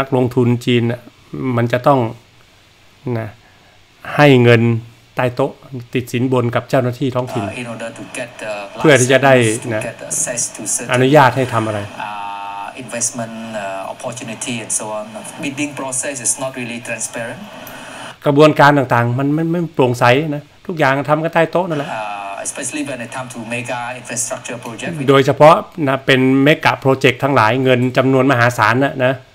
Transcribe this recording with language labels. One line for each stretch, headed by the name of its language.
Thai: กลงทุนจีนมันจะต้องนะให้เงินใต้โต๊ะติดสินบนกับเจ้าหน้าที่ท้องถิ่นเพื่อที่จะได้นะอนุญาตให้ทำอะไร
English: investment opportunity and so on bidding process is not really transparent
Thai: กระบวนการต่างๆมันไม่โปร่งใสนะทุกอย่างทำกันใต้โต๊ะนั่นแหละ
English: especially when it comes to mega infrastructure project
Thai: โดยเฉพาะนะเป็นเมกะโปรเจกต์ทั้งหลายเงินจำนวนมหาศาลนะ